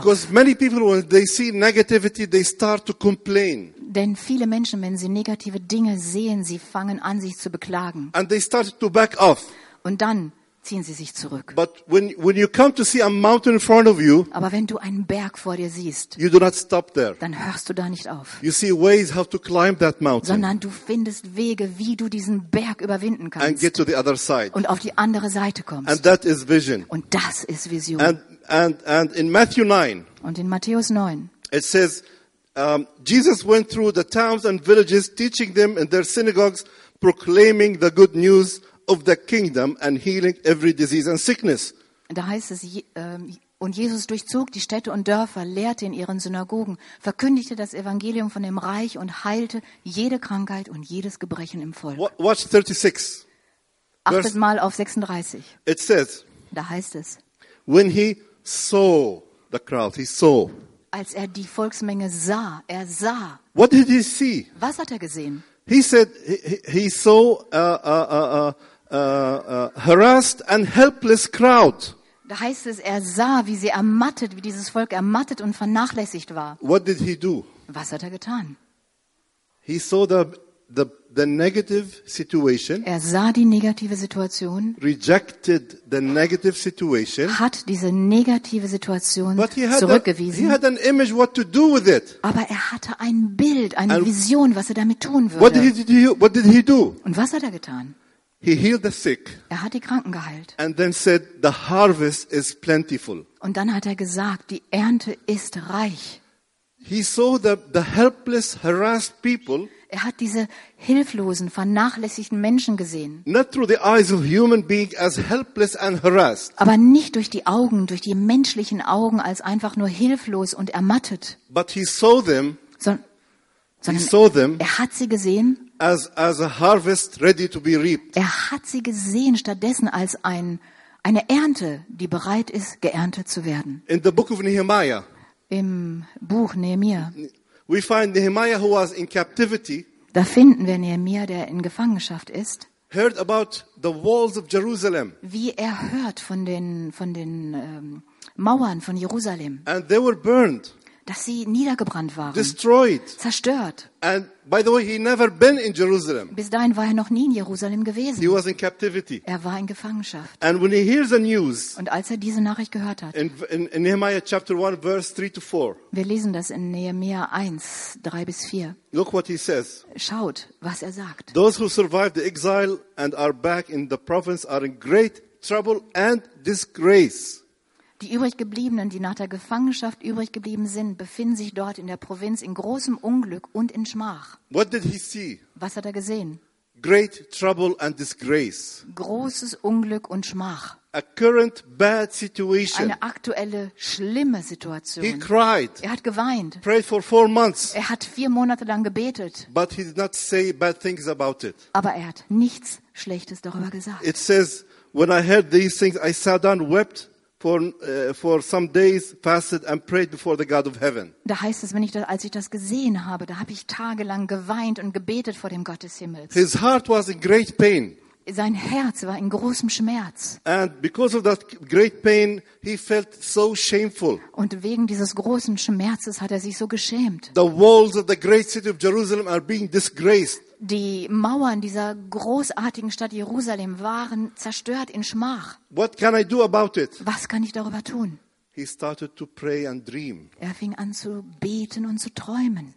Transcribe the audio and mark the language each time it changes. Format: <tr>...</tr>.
<en>Because many people, when they see negativity, they start to complain.</en> <de>Denn viele Menschen, wenn sie negative Dinge sehen, sie fangen an, sich zu beklagen.</de> <en>And they start to back off.</en> <de>Und dann ziehen Sie sich zurück.</de> <en>But when you come to see a mountain in front of you,</en> <de>aber wenn du einen Berg vor dir siehst,</de> <en>you do not stop there.</en> <de>Dann hörst du da nicht auf.</de> <en>You see ways how to climb that mountain.</en> <de>Sondern du findest Wege, wie du diesen Berg überwinden kannst.</de> <en>And get to the other side.</en> <de>Und auf die andere Seite kommst.</de> <en>And that is vision.</en> <de>Und das ist Vision.</de> <en>And in Matthew 9.</en> <de>Und in Matthäus 9.</de> <en>It says, Jesus went through the towns and villages, teaching them in their synagogues, proclaiming the good news of the kingdom and healing every disease and sickness.</en> <de>Da heißt es, und Jesus durchzog die Städte und Dörfer, lehrte in ihren Synagogen, verkündigte das Evangelium von dem Reich und heilte jede Krankheit und jedes Gebrechen im Volk.</de> <en>Watch 36.</en> <de>Achtet mal auf 36.</de> <en>It says,</en> <de>da heißt es,</de> <en>when he saw the crowd, he saw.</en> <de>Als er die Volksmenge sah, er sah.</de> <en>What did he see?</en> <de>Was hat er gesehen?</de> <en>He said he saw a harassed and helpless crowd.</en> <de>Da heißt es, er sah, wie sie ermattet, wie dieses Volk ermattet und vernachlässigt war.</de> <en>What did he do?</en> <de>Was hat er getan?</de> <en>He saw the negative situation.</en> <de>Er sah die negative Situation.</de> <en>Rejected the negative situation.</en> <de>Hat diese negative Situation zurückgewiesen.</de> <en>He had an image what to do with it.</en> <de>Aber er hatte ein Bild, eine Vision, was er damit tun würde.</de> <en>What did he do?</en> <de>Und was hat er getan?</de> <en>He healed the sick.</en> <de>Er hat die Kranken geheilt.</de> <en>And then said, the harvest is plentiful.</en> <de>Und dann hat er gesagt, die Ernte ist reich.</de> <en>He saw the helpless, harassed people.</en> <de>Er hat diese hilflosen, vernachlässigten Menschen gesehen.</de> <en>Not through the eyes of human being as helpless and harassed.</en> <de>Aber nicht durch die Augen, durch die menschlichen Augen als einfach nur hilflos und ermattet.</de> <en>But he saw them.</en> <de>Sondern er hat sie gesehen.</de> <en>As a harvest ready to be reaped.</en> <de>Er hat sie gesehen stattdessen als eine Ernte, die bereit ist, geerntet zu werden.</de> <en>In the book of Nehemiah.</en> <de>Im Buch Nehemiah.</de> <en>We find Nehemiah who was in captivity.</en> <de>Da finden wir Nehemiah, der in Gefangenschaft ist.</de> <en>Heard about the walls of Jerusalem.</en> <de>Wie er hört von den Mauern von Jerusalem.</de> <en>And they were burned.</en> <de>Dass sie niedergebrannt waren.</de> <en>Destroyed.</en> <de>Zerstört.</de> <en>And by the way, he never been in Jerusalem.</en> <de>Bis dahin war er noch nie in Jerusalem gewesen.</de> <en>He was in captivity.</en> <de>Er war in Gefangenschaft.</de> <en>And when he hears the news.</en> <de>Und als er diese Nachricht gehört hat.</de> <en>In Nehemiah chapter 1 verse 3 to 4.</en> <de>Wir lesen das in Nehemiah 1, 3 bis 4.</de> <en>Look what he says.</en> <de>Schaut, was er sagt.</de> <en>Those who survived the exile and are back in the province are in great trouble and disgrace.</en> <de>Die übrig gebliebenen, die nach der Gefangenschaft übrig geblieben sind, befinden sich dort in der Provinz in großem Unglück und in Schmach.</de> <en>What did he see?</en> <de>Was hat er gesehen?</de> <en>Great trouble and disgrace.</en> <de>Großes Unglück und Schmach.</de> <en>A current bad situation.</en> <de>Eine aktuelle schlimme Situation.</de> <en>He cried.</en> <de>Er hat geweint.</de> <en>Prayed for 4 months.</en> <de>Er hat 4 Monate lang gebetet.</de> <en>But he did not say bad things about it.</en> <de>Aber er hat nichts Schlechtes darüber gesagt.</de> <en>It says, when I heard these things, I sat down, wept. For some days fasted and prayed before the God of heaven.</en> <de>Da heißt es, als ich das gesehen habe, da habe ich tagelang geweint und gebetet vor dem Gott des Himmels.</de> <en>His heart was in great pain.</en> <de>Sein Herz war in großem Schmerz.</de> <en>And because of that great pain, he felt so shameful.</en> <de>Und wegen dieses großen Schmerzes hat er sich so geschämt.</de> <en>The walls of the great city of Jerusalem are being disgraced.</en> <de>Die Mauern dieser großartigen Stadt Jerusalem waren zerstört in Schmach.</de> <en>What can I do about it?</en> <de>Was kann ich darüber tun?</de> <en>He started to pray and dream.</en> <de>Er fing an zu beten und zu träumen.</de>